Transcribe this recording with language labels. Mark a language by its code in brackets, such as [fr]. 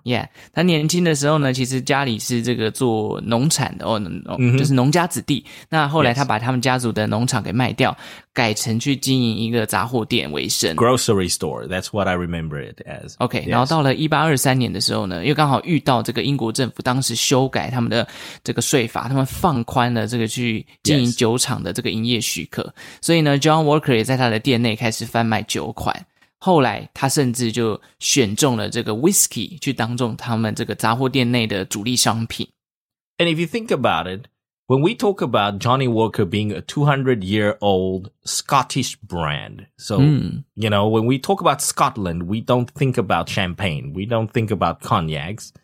[zh] Yeah, 他年轻的时候呢，其实家里是这个做农产的，就是农家子弟。那后来他把他们家族的农场给卖掉，改成去经营一个杂货店为生。 [en] Grocery store, that's what I remember it as. OK,、yes. [zh] 然后到了1823年的时候呢，又刚好遇到这个英国政府当时修改他们的这个税法，他们放宽了这个去经营酒厂的这个营业许可。 Yes. 所以呢 ,John Walker 也在他的店内开始贩卖酒款。后来他甚至就选中了这个 whisky 去当中他们这个杂货店内的主力商品。 [en] And if you think about it, when we talk about Johnny Walker being a 200-year-old Scottish brand, so,、mm. you know, when we talk about Scotland, we don't think about champagne, we don't think about cognacs.